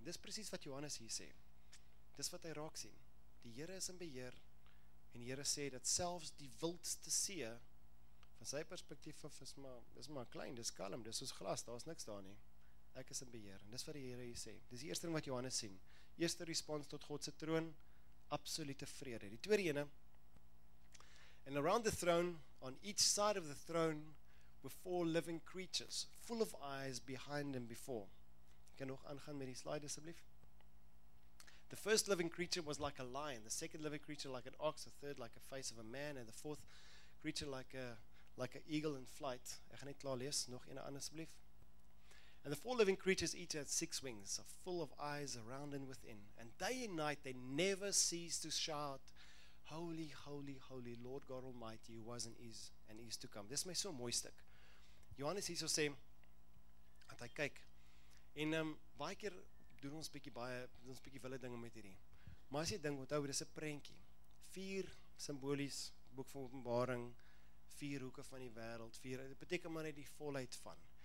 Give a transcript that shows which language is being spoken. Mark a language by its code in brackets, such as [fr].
[af] Dis presies wat Johannes hier sê. Dis wat hy raak sien. Die Here is in beheer en die Here sê dat selfs die wildste see van sy perspektief af is maar klein, dis kalm, dis soos glas, daar is niks daar nie. Ek is in beheer en dis wat die Here hier sê. Dis die eerste ding wat Johannes sien. Eerste respons tot God se troon, absolute vrede. Die tweede ene, [en] and around the throne, on each side of the throne, were four living creatures, full of eyes behind and before. [af] Kan nog aangaan met die slide asseblief? [en] The first living creature was like a lion, the second living creature like an ox, the third like a face of a man, and the fourth creature like an eagle in flight. [af] Ek gaan net klaar lees, nog een ander asseblief. [en] And the four living creatures each had six wings, so full of eyes around and within. And day and night they never cease to shout, Holy, holy, holy, Lord God Almighty, who was and is to come. [af] Dis my so mooi stuk. Johannes hier so sê, en hy kyk, en baie keer doen ons bietjie wille dinge met hierdie. Maar as jy dink, onthou, dis 'n prentjie. Vier simbolies, boek van openbaring, vier hoeke van die wêreld, vier, dit beteken maar net die volheid van.